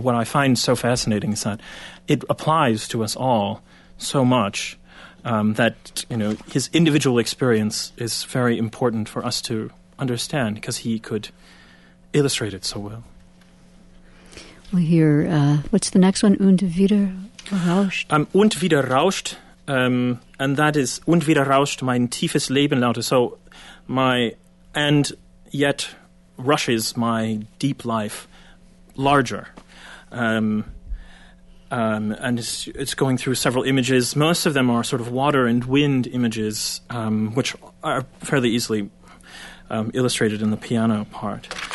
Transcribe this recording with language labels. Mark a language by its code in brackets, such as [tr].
[en] What I find so fascinating is that it applies to us all so much that, you know, his individual experience is very important for us to understand because he could illustrate it so well. We hear, what's the next one? [de] Und wieder rauscht? Und wieder rauscht. [en] And that is, [de] und wieder rauscht, mein tiefes Leben lauter. [en] So, my, and yet rushes my deep life larger. And it's going through several images. Most of them are sort of water and wind images, which are fairly easily illustrated in the piano part.